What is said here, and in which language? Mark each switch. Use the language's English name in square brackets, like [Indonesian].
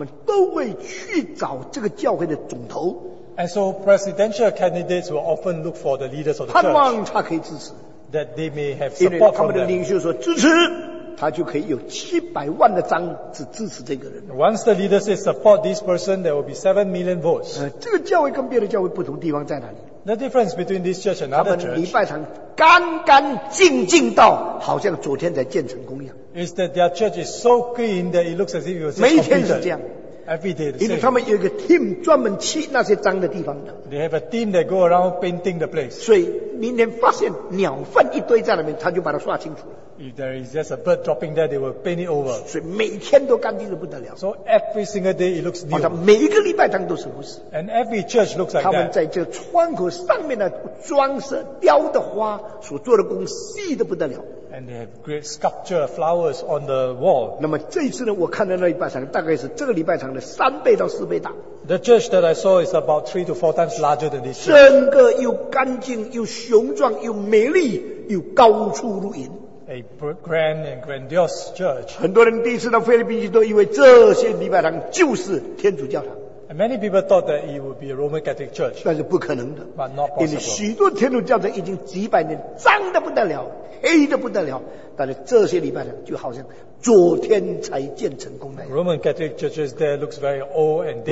[Chinese] 所以好几届总统大选的人，他们都会去找这个教会的总头。 [English] And so presidential candidates will often look for the leaders of the church. [Chinese] 盼望他可以支持, [English] that they may have support from them. [Chinese] 因为他们的领袖说支持, 他就可以有700万的张纸支持这个人。 [English] Once the leader says support this person, there will be 7 million votes. [Chinese] 这个教会跟别的教会不同地方在哪里? [English] The difference between this church and other church, [Chinese] 他们礼拜堂干干净净到, 好像昨天才建成功一样。 [English] Is that their church is so clean that it looks as if it was just completed. [Chinese] 每一天是这样。 [English] Every day the same. [Chinese] 因为他们有一个 team 专门去那些脏的地方的。 [English] They have a team that go around painting the place. [Chinese] 所以明年发现鸟粪一堆在那边，他就把它刷清楚了。 [English] If there is just a bird dropping there, they will paint it over. [Chinese] 所以每天都干净得不得了. [English] So every single day it looks new. [Chinese] 每一个礼拜堂都是如此. [English] And every church looks like that. [Chinese] 他们在这窗口上面的装饰雕的花所做的工细得不得了. [English] And they have great sculpture flowers on the wall. [Chinese] 那么这一次呢，我看到那礼拜堂大概是这个礼拜堂的3倍到4倍大. [English] The church that I saw is about 3 to 4 times larger than this church. [Chinese] 整个又干净又雄壮又美丽又高出如云. [English] A grand and grandiose church. [Chinese] 很多人第一次到菲律宾去，都以为这些礼拜堂就是天主教堂。 [English] And many people thought that it would be a Roman Catholic church. [Chinese] 但是不可能的。 [English] But not possible. [Chinese] 因为许多天主教堂已经几百年，脏得不得了，黑得不得了。但是这些礼拜堂就好像昨天才建成功的。 [English] Roman Catholic churches there looks very old and dated.